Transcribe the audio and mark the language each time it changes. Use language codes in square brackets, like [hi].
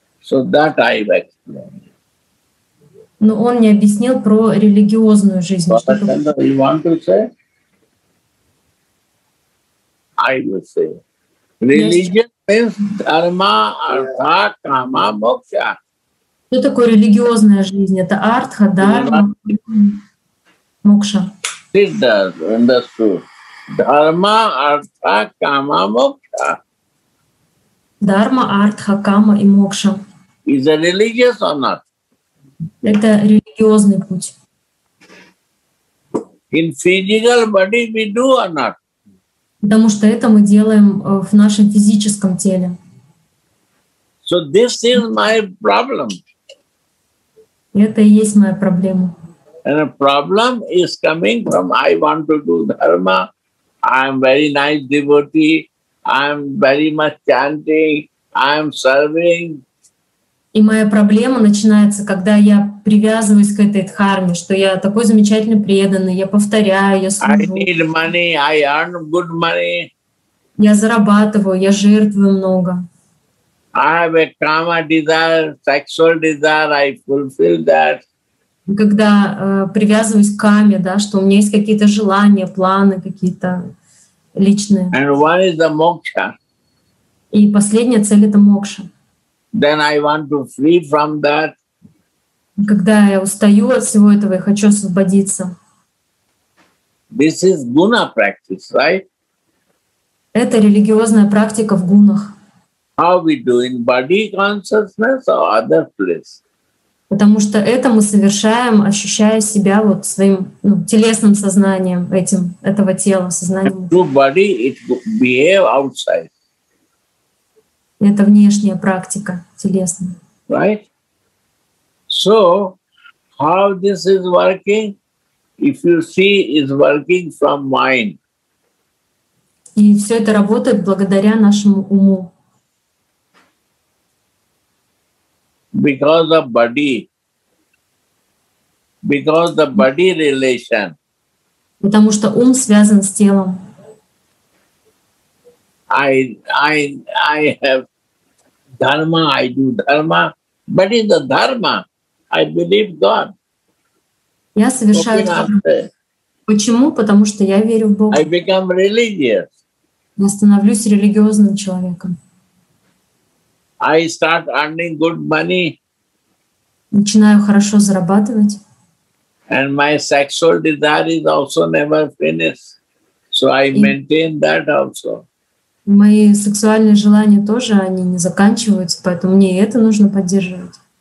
[en] So that I've explained. [ru] Но он не объяснил про религиозную жизнь. [en] What do you want to say? I will say. Religion means dharma, artha, kama, moksha. [ru] Что такое религиозная жизнь? Это артха, дарма, мокша. [en] Siddhas, understood. Dharma, artha, kama, moksha. [ru] Dharma, artha, kama и мокша. [en] Is it religious or not? [ru] Это религиозный путь. [en] In physical body we do or not? [ru] Потому что это мы делаем в нашем физическом теле. [en] So this is my problem. [ru] Это и есть моя проблема. [en] And a problem is coming from I want to do dharma. I am very nice devotee. I am very much chanting. I am serving. [ru] И моя проблема начинается, когда я привязываюсь к этой дхарме, что я такой замечательный преданный, я повторяю, я служу. [en] I need money, I earn good money. [ru] Я зарабатываю, я жертвую много. [en] I have a karma desire, sexual desire, I fulfill that. [ru] Когда привязываюсь к каме, да, что у меня есть какие-то желания, планы какие-то личные. [en] And what is the moksha? [ru] И последняя цель — это мокша. [en] Then I want to flee from that. [ru] Когда я устаю от всего этого и хочу освободиться. [en] This is guna practice, right? [ru] Это религиозная практика в гунах. [en] How we do in body consciousness or other place? [ru] Потому что это мы совершаем, ощущая себя вот своим телесным сознанием этим этого тела сознанием. [en] To body it behave outside. [ru] Это внешняя практика телесная. [en] Right? So, how this is working? If you see, is working from mind. [ru] И все это работает благодаря нашему уму. [en] Because of body. Because the body relation. [ru] Потому что ум связан с телом. [en] I have dharma, I do dharma, but in the dharma, I believe God. [ru] Я совершаю dharma. Почему? Потому что я верю в Бога. [en] I become religious. [ru] Я становлюсь религиозным человеком. [en] I start earning good money. [ru] Начинаю хорошо зарабатывать. [en] And my sexual desire is also never finished. So I maintain that also. [ru] Мои сексуальные желания тоже, они не заканчиваются, поэтому мне и это нужно поддерживать.